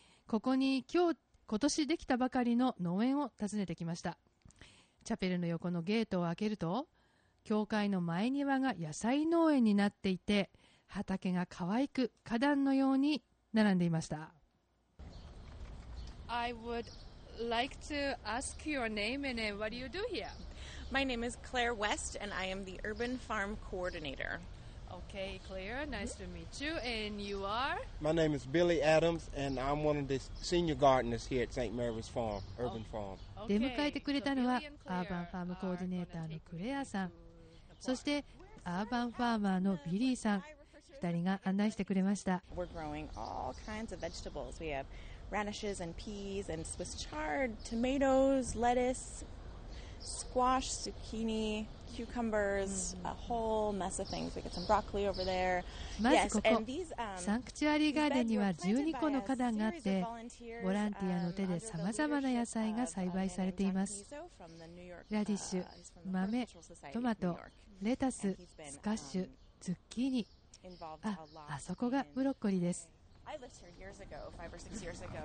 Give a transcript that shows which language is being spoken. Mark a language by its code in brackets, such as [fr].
[ja] ここに今年できたばかりの農園を訪ねてきました。チャペルの横のゲートを開けると、教会の前庭が野菜農園になっていて、畑が可愛く花壇のように並んでいました。 [en] I would like to ask your name and what do you do here? My name is Claire West, and I am the Urban Farm Coordinator. Okay, Claire, nice to meet you. And you are? My name is Billy Adams, and I'm one of the senior gardeners here at St. Mary's Farm, Urban Farm. Okay. [ja] 出迎えてくれたのは、アーバンファームコーディネーターのクレアさん。そして、アーバンファーマーのビリーさん。二人が案内してくれました。 [en] We're growing all kinds of vegetables. We have radishes and peas and Swiss chard, tomatoes, lettuce. Squash, zucchini, cucumbers, a whole mess of things. We got some broccoli over there. [ja] まずここ、サンクチュアリーガーデンには12個の花壇があって、ボランティアの手でさまざまな野菜が栽培されています。ラディッシュ、豆、トマト、レタス、スカッシュ、ズッキーニ。あそこがブロッコリーです。 [en] I lived here years ago, 5 or 6 years ago.